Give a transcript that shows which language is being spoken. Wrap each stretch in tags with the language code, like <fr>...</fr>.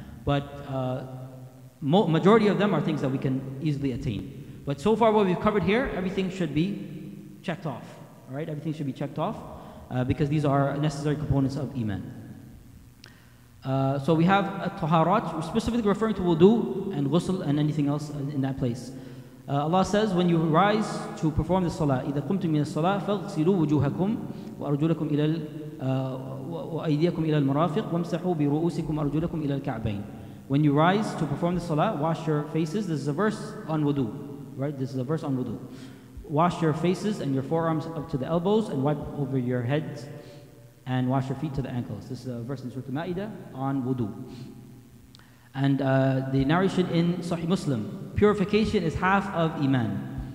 <en>But majority of them are things that we can easily attain. But so far what we've covered here, everything should be checked off. All right? Everything should be checked off because these are necessary components of iman. So we have a taharat, specifically referring to wudu and ghusl and anything else in that place. Allah says, when you rise to perform the salah,</en> <ar>إِذَا قُمْتُمْ مِنَ الصَّلَاةِ فَاغْسِلُوا وُجُوهَكُمْ وَأَرْجُلَكُمْ إِلَى وَأَيْدِيَكُمْ إِلَى الْمُرَافِقِ وَامْسَحُوا بِرُؤُوسِكُمْ أَرْجُلَكُمْ إِلَى الْكَعْبَيْنِ.</ar> <en>When you rise to perform the salah, wash your faces. This is a verse on wudu, right? This is a verse on wudu. Wash your faces and your forearms up to the elbows and wipe over your head and wash your feet to the ankles. This is a verse in Surah Al-Ma'idah on wudu. And the narration in Sahih Muslim, purification is half of Iman.</en>